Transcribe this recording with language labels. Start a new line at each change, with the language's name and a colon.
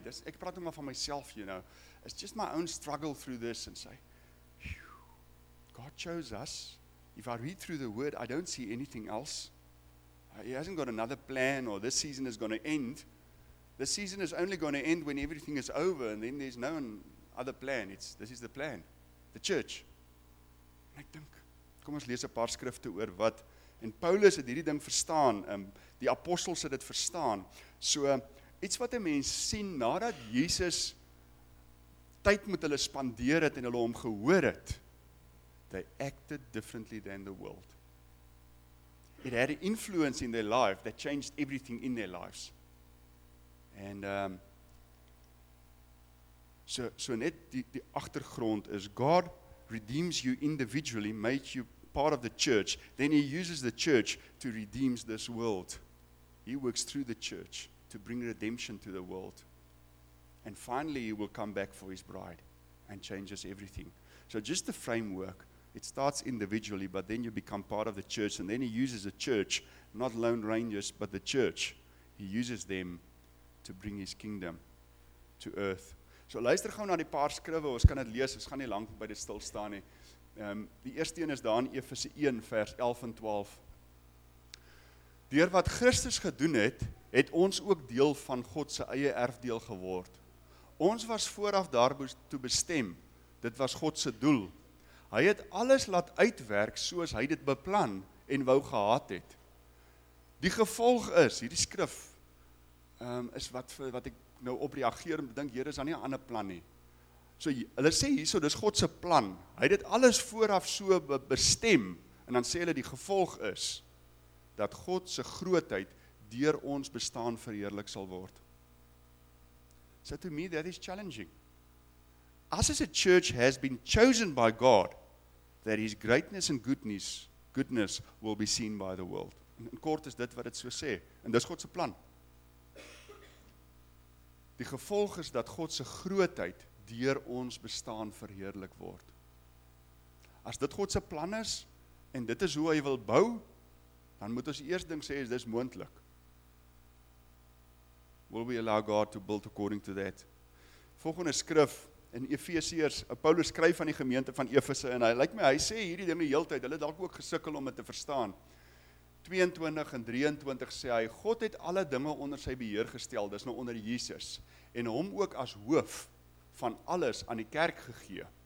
English: This,
Afrikaans: ek praat nou maar van myself,
English: you know. It's just my own struggle through this and say, whew, God chose us. If I read through the word, I don't see anything else. He hasn't got another plan or this season is going to end. The season is only going to end when everything is over and then there's no other plan. This is the plan. The church.
Afrikaans: En ek dink, kom ons lees 'n paar skrifte oor wat, en Paulus het hierdie ding verstaan, die apostels het dit verstaan. So, iets wat 'n mens sien, nadat Jesus tyd met hulle spandeer het en hulle hom gehoor het,
English: they acted differently than the world. It had an influence in their life that changed everything in their lives. And so
Afrikaans: net die agtergrond is God
English: redeems you individually, makes you part of the church, then he uses the church to redeem this world. He works through the church to bring redemption to the world. And finally, he will come back for his bride and changes everything. So just the framework, it starts individually, but then you become part of the church, and then he uses the church, not lone rangers, but the church. He uses them to bring his kingdom to earth.
Afrikaans: So luister gou na die paar skrywe, ons kan dit lees, ons gaan nie lank by dit stil staan nie. Die eerste een is daar in Efese 1 vers 11 en 12. Deur wat Christus gedoen het, het ons ook deel van God se eie erfdeel geword. Ons was vooraf daartoe bestem. Dit was God se doel. Hy het alles laat uitwerk soos hy dit beplan en wou gehad het. Die gevolg is, hierdie skrif is wat ek nou op reageer en dink, Here, is daar nie 'n ander plan nie. So hulle sê hierso, dis God se plan. Hy het dit alles vooraf so bestem en dan sê hulle die gevolg is dat God se grootheid deur ons bestaan verheerlik sal word.
English: So to me that is challenging. Us as a church has been chosen by God that his greatness and goodness will be seen by the world.
Afrikaans: In kort is dit wat dit so sê en dis God se plan. Die gevolg is dat God se grootheid deur ons bestaan verheerlik word. As dit God se plan is en dit is hoe hy wil bou, dan moet ons eers ding sê is dis moontlik.
English: Will we allow God to build according to that?
Afrikaans: Volgende skrif in Efesiërs, Paulus skryf aan die gemeente van Efese en hy lyk my hy sê hierdie ding die hele tyd, hulle dalk ook gesukkel om dit te verstaan. 22 en 23 sê hy, God het alle dinge onder sy beheer gestel, dis nou onder Jesus, en hom ook as hoof van alles aan die kerk gegee.